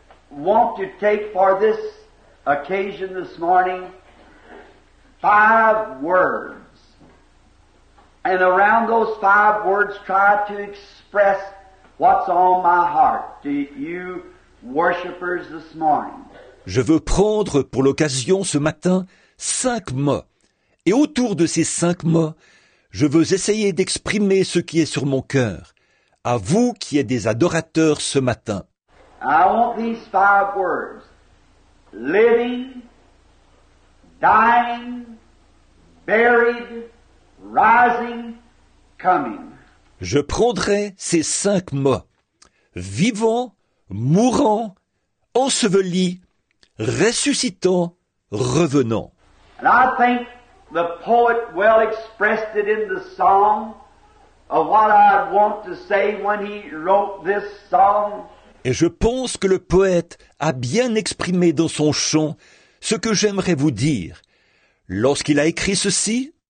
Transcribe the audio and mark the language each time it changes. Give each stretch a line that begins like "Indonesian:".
English: want to take for this occasion this morning 5 words. And around those 5 words, try to express what's on my heart to you worshipers this morning.
French: Je veux prendre pour l'occasion ce matin 5 mots. Et autour de ces 5 mots, je veux essayer d'exprimer ce qui est sur mon cœur, à vous qui êtes des adorateurs ce matin.
English: I want these 5 words. Living, dying, buried, rising, coming.
French: Je prendrai ces 5 mots. Vivant, mourant, enseveli, ressuscitant, revenant.
English: And I think the poet well expressed it in the song of what I want to say when he wrote this song.
French: Et je pense que le poète a bien exprimé dans son chant ce que j'aimerais vous dire lorsqu'il a écrit ceci.